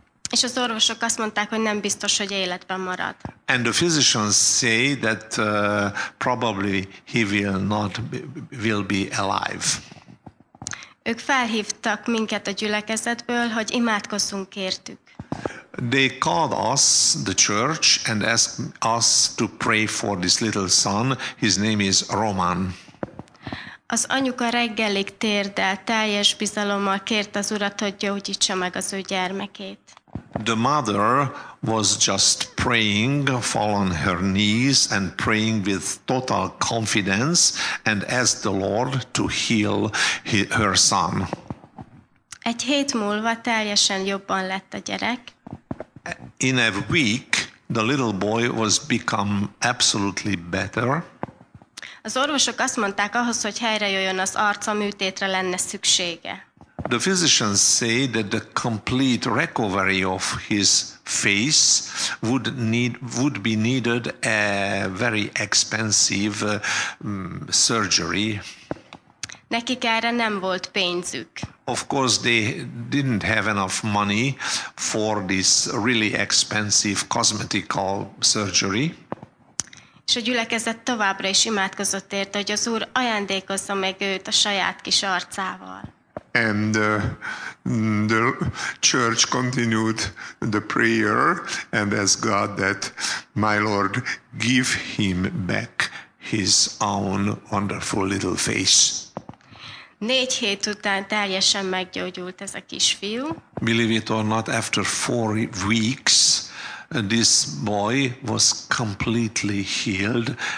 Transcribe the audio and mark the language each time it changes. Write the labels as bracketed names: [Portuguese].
[Hungarian] És az orvosok azt mondták, hogy nem biztos, hogy életben marad. [English] And the physicians say that probably he will not will be alive. [Hungarian] Ők felhívtak minket a gyülekezetből, hogy imádkozzunk értük. [English] They called us, the church, and asked us to pray for this little son. His name is Roman. [Hungarian] Az anyuka reggelig térdelt, teljes bizalommal kért az Urat, hogy gyógyítsa meg az ő gyermekét. [English] The mother was just praying, fall on her knees and praying with total confidence and asked the Lord to heal her son. [Hungarian] Egy hét múlva teljesen jobban lett a gyerek. [English] In a week, the little boy was become absolutely better. [Hungarian] Az orvosok azt mondták, ahhoz, hogy helyre jöjjön az arca, műtétre lenne szüksége. [English] The physicians say that the complete recovery of his face would be needed a very expensive surgery. [Hungarian] Nekik erre nem volt pénzük. [English] Of course, they didn't have enough money for this really expensive cosmetical surgery. [Hungarian] És a gyülekezet továbbra is imádkozott érte, hogy az Úr ajándékozza meg őt a saját kis arcával. [English] And the church continued the prayer and asked God that, my Lord, give him back his own wonderful little face. [Hungarian] 4 hét után teljesen meggyógyult ez a kisfiú. [English] Believe it or not, after 4 weeks, this boy was completely healed.